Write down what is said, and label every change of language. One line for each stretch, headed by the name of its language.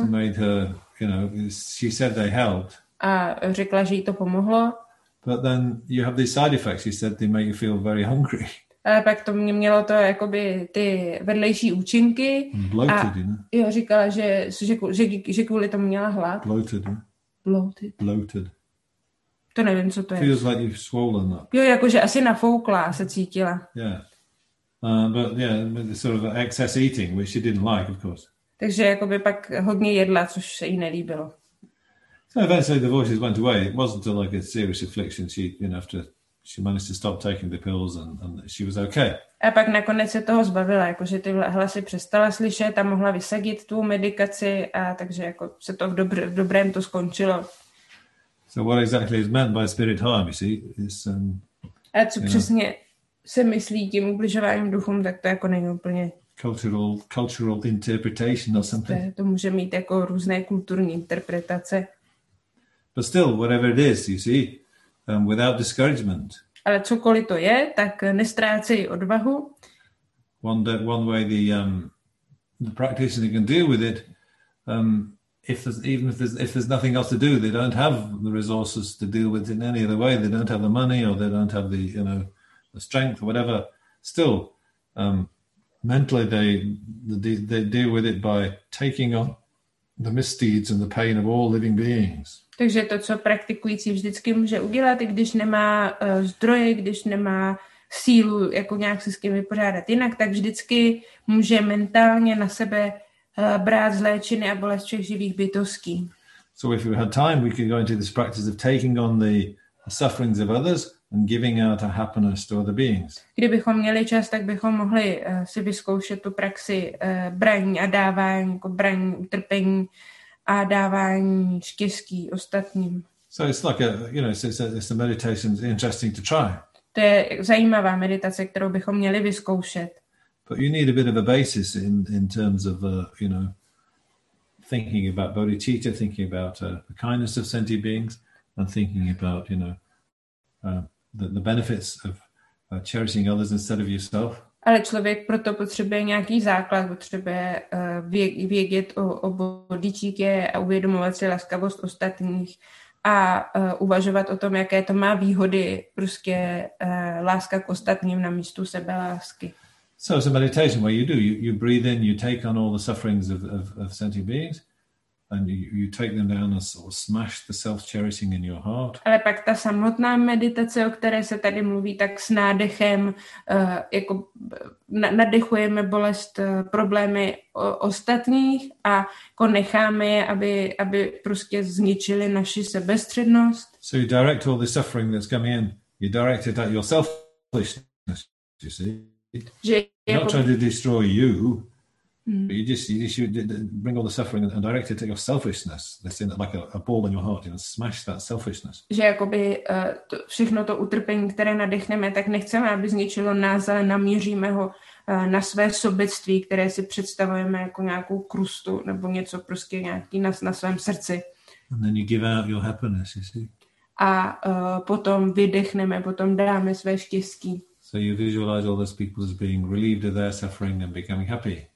English: Which made her, you know, she said they helped.
Czech: A řekla, že jí to pomohlo.
English: But then you have these side effects. She said they make you feel very hungry.
Czech: A pak to mě mělo to jakoby ty vedlejší účinky.
English: Bloated,
Czech: a jo, říkala, že kvůli tomu měla hlad. Bloated, ne? Bloated. To nevím, co to
English: feels
Czech: je.
English: Feels like you've swollen up.
Czech: Jo, jakože asi nafouklá se cítila.
English: Yeah. But yeah, sort of excess eating, which she didn't like, of course.
Czech: Takže jakoby pak hodně jedla, což se jí nelíbilo.
English: So eventually the voices went away. It wasn't like a serious affliction. She, you know, after she managed to stop taking the pills and she was okay.
Czech: A pak nakonec se toho zbavila, jakože ty hlasy přestala slyšet a mohla vysadit tu medikaci a takže jako se to v dobrém to skončilo.
English: So what exactly is meant by spirit harm, you see? It's,
Czech: a co přesně know, se myslí tím ubližováním duchům, tak to jako není úplně...
English: Cultural interpretation or something.
Czech: To může mít jako různé kulturní interpretace.
English: But still, whatever it is, you see, without discouragement.
Czech: Ale cokoliv to je, tak nestrácej odvahu.
English: One way the practitioner can deal with it, if there's nothing else to do, they don't have the resources to deal with it in any other way. They don't have the money or they don't have the, you know, the strength or whatever. Still, mentally they deal with it by taking on the misdeeds and the pain of all living beings.
Czech: Takže to, co praktikující vždycky může udělat, i když nemá zdroje, když nemá sílu jako nějak se s tím vypořádat jinak, tak vždycky může mentálně na sebe brát zlé činy a bolest všech živých bytostí.
English: So if we had time, we could go into this practice of taking on the sufferings of others and giving out our happiness to other beings.
Czech: Kdybychom měli čas, tak bychom mohli si vyzkoušet tu praxi braní a dávání, jako braní utrpení a dávání štěstí ostatním.
English: So it's like it's a meditation that's interesting to try.
Czech: To je zajímavá meditace, kterou bychom měli vyzkoušet.
English: But you need a bit of a basis in terms of you know, thinking about bodhicitta, thinking about the kindness of sentient beings, and thinking about, you know, the benefits of cherishing others instead of yourself.
Czech: Ale člověk proto potřebuje nějaký základ, potřebuje vědět o bodhicitě a uvědomovat si laskavost ostatních a uvažovat o tom, jaké to má výhody, prostě láska k ostatním na místu sebe lásky.
English: So it's a meditation where you do, you breathe in, you take on all the sufferings of sentient beings and you take them down and sort of smash the self-cherishing in your heart.
Czech: Ale pak ta samotná meditace, o které se tady mluví, tak s nádechem jako nadechujeme bolest, problémy ostatních a jako necháme je, aby prostě zničili naši sebestřednost.
English: So you direct all the suffering that's coming in, you direct it at your selfishness, you see. Not trying to destroy you, but you just bring all the suffering and direct it to your selfishness. That's in it, like a ball in your heart, you know, smash that selfishness.
Czech: Že jakoby to, všechno to utrpení, které nadechneme, tak nechceme, aby zničilo nás, ale namíříme ho na své sobectví, které si představujeme jako nějakou krustu nebo něco prostě nějaký na svém srdci.
English: And then you give out your happiness, you see.
Czech: A potom vydechneme, potom dáme své štěstí.
English: So you visualize all those people as being relieved of their suffering and becoming happy.